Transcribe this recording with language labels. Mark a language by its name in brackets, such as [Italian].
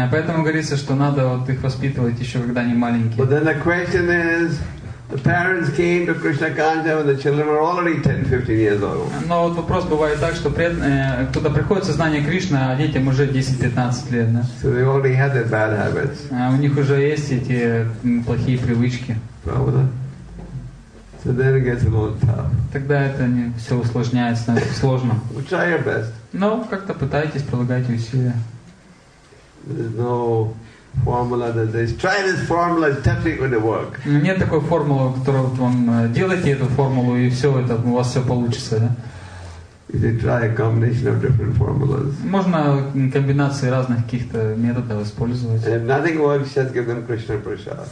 [Russian] Поэтому говорится, что надо вот их воспитывать еще когда они маленькие. [English] But then the question is, the parents came to Krishna consciousness when the children were already 10-15 years old. [Russian] Но вот вопрос бывает так, что кто-то приходит в сознание Кришны, а детям уже 10-15 лет. Да? [English] So they already had their bad habits. [Russian] У них уже есть эти плохие привычки. Правда? [English] So then it gets a little tough. [Russian] Тогда это не все усложняется, сложно. [English] We'll try your best. [Russian] Но как-то пытайтесь, прилагайте усилия. [English] There's no formula that says, try this formula, it's definitely going to work. [Russian] Нет такой формулы, которую вам делайте эту формулу и все это у вас все получится, да? [English] You can try a combination of different formulas. [Russian] Можно комбинации разных каких-то методов использовать. [English] And if nothing works, just give them Krishna prasad.